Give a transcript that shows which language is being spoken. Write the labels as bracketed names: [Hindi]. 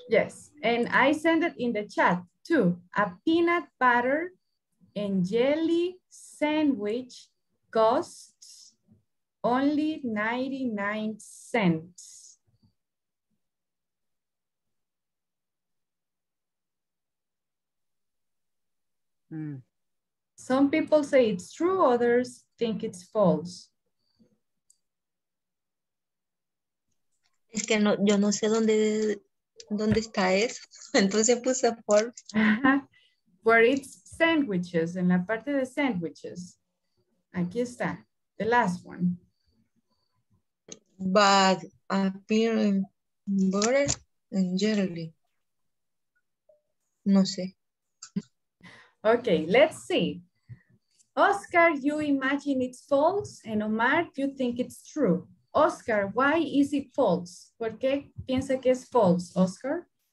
[English] Yes, and I send it in the chat too. A peanut butter and jelly sandwich costs only 99 cents. Some people say it's true, others think it's false. [Spanish] Es que no, yo no sé dónde está eso. Entonces puse false. [English] Where it's sandwiches, [Spanish] en la parte de sandwiches. Aquí está, [English] the last one. But a peanut butter and jelly. [Spanish] No sé. [English] Okay, let's see. Oscar, you imagine it's false, and Omar, you think it's true. [Spanish] Oscar, [English] why is it false? [Spanish] ¿Por qué piensa que es false, Oscar?